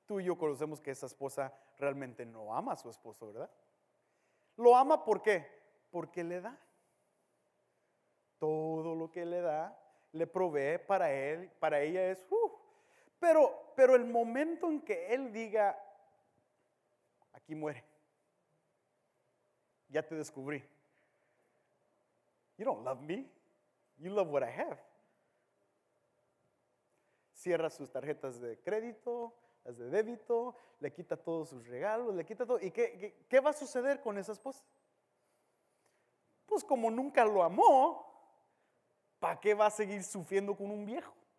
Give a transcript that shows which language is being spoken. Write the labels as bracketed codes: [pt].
[es] Tú y yo conocemos que esa esposa realmente no ama a su esposo, ¿verdad? Lo ama, ¿por qué? Porque le da. Todo lo que le da, le provee para él, para ella es Pero el momento en que él diga: aquí muere, ya te descubrí. [en] You don't love me, you love what I have. [es] Cierra sus tarjetas de crédito, las de débito, le quita todos sus regalos, le quita todo. ¿Y qué va a suceder con esa esposa? Pues como nunca lo amó, ¿para qué va a seguir sufriendo con un viejo?